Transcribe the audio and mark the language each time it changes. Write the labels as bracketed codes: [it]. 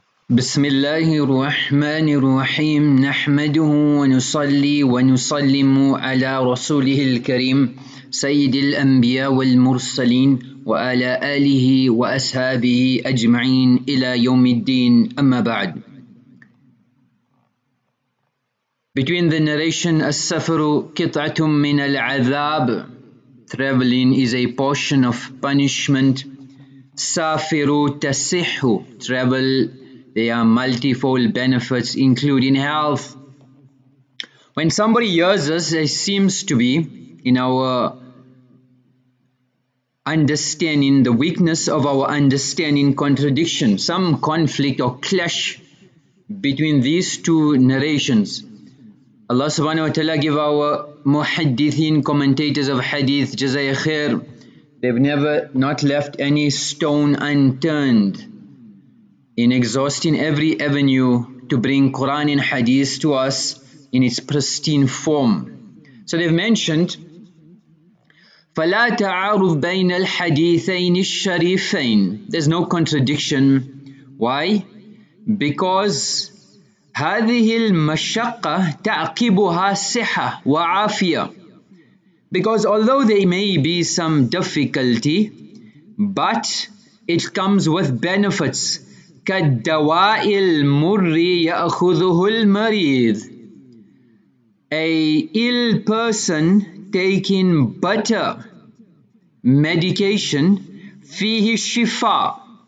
[ar] بسم الله الرحمن الرحيم نحمده ونصلي ونسلم على رسوله الكريم سيد الأنبياء والمرسلين وعلى آله وأصحابه أجمعين إلى يوم الدين أما بعد. [en] Between the narration [ar] السفر قطعة من العذاب, [en] traveling is a portion of punishment. [ar] سافر تصح, [en] travel, there are multifold benefits including health. When somebody hears us, it seems to be in our understanding, the weakness of our understanding, contradiction, some conflict or clash between these two narrations. Allah subhanahu wa ta'ala give our muhaddithin, commentators of hadith, jazay khair. They've never not left any stone unturned in exhausting every avenue to bring Quran and Hadith to us in its pristine form. So they've mentioned, [ar] فَلَا تَعَارُضْ بَيْنَ الْحَدِيثَيْنِ الشَّرِيفَيْنِ. [en] There's no contradiction. Why? Because [ar] هَذِهِ الْمَشَقَّةِ تَعْقِبُهَا صِحَةٌ وَعَافِيَةٌ. [en] Because although there may be some difficulty, but it comes with benefits. [ar] كَالدَّوَاءِ الْمُرِّ يَأْخُذُهُ الْمَرِيذِ. [en] A ill person taking bitter medication, [ar] فِيهِ الشِّفَى.